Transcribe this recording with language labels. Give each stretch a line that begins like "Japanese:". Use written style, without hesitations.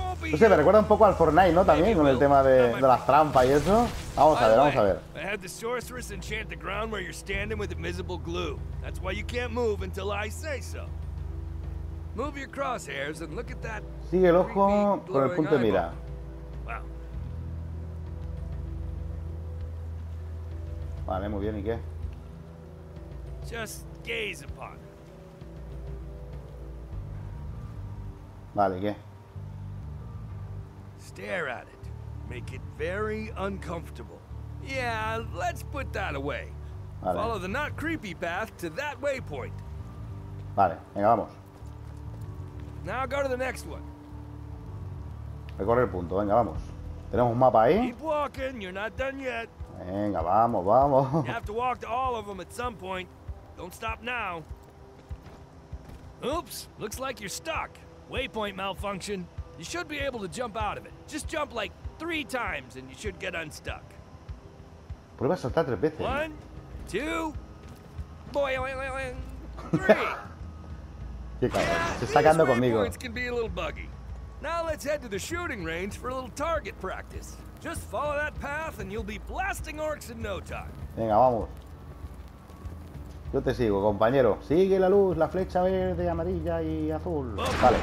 Spanish: No sé, me recuerda un poco al Fortnite, ¿no? También con el tema de las trampas y eso. Vamos a ver, vamos a ver.
English: I had the sorceress enchant the ground where you're standing with invisible glue. That's why you can't move until I say so. Move your crosshairs and look at that.
Spanish: Sigue el ojo con el punto de mira. Vale, muy bien, ¿y qué?
English: Just gaze upon it.
Spanish: Vale, ¿qué?
English: Stare at it. Make it very uncomfortable. Yeah, let's put that away. Vale. Follow the not creepy path to that waypoint.
Spanish: Vale, venga, vamos.
English: Now go to the next one.
Spanish: Recorre el punto, venga, vamos. Tenemos un mapa ahí.
English: Keep walking, you're not done yet.
Spanish: Venga, vamos, vamos.
English: You have to walk to all of them at some point. Don't stop now. Oops, looks like you're stuck. Waypoint malfunction. You should be able to jump out of it. Just jump like three times and you should get unstuck.
Spanish: Prueba a saltar tres veces.
English: One, two, boing, three.
Spanish: Qué cabrón, se está quedando conmigo.
English: Waypoints can be a little buggy. Now let's head to the shooting range for a little target practice. Just follow that path and you'll be blasting orcs in no time.
Spanish: Venga, vamos. Yo te sigo, compañero. Sigue la luz, la flecha verde, amarilla y azul. Vale.